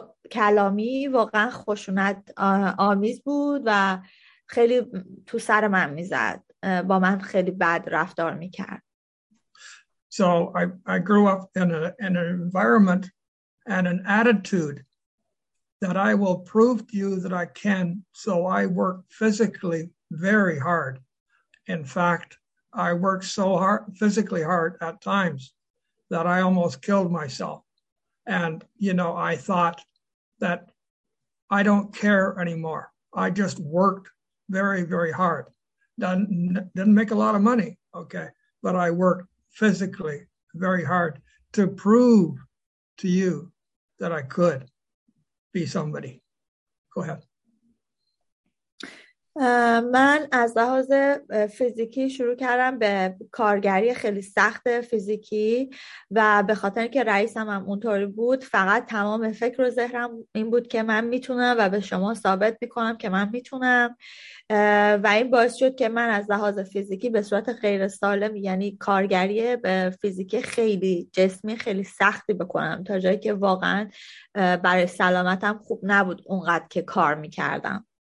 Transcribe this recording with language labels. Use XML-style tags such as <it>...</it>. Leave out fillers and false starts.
<fa>کلامی واقعا خشونت آمیز بود و خیلی تو سر من میزد، با من خیلی بد رفتار میکرد.</fa> <en>So I grew up in an environment and an attitude that I will prove to you that I can, so I work physically very hard. In fact, I worked so hard, physically hard at times, that I almost killed myself. And, you know, I thought that I don't care anymore. I just worked very, very hard. Didn't make a lot of money, okay? But I worked physically very hard to prove to you that I could be somebody. Go ahead.</en> <fa>من از لحاظ فیزیکی شروع کردم به کارگری خیلی سخت فیزیکی و به خاطر که رئیسم هم اونطوری بود، فقط تمام فکر و ذهنم این بود که من میتونم و به شما ثابت میکنم که من میتونم و این باعث شد که من از لحاظ فیزیکی به صورت غیر سالم، یعنی کارگری به فیزیکی خیلی جسمی خیلی سختی بکنم، تا جایی که واقعا برای سلامتم خوب نبود اونقدر که کار میکردم.</fa>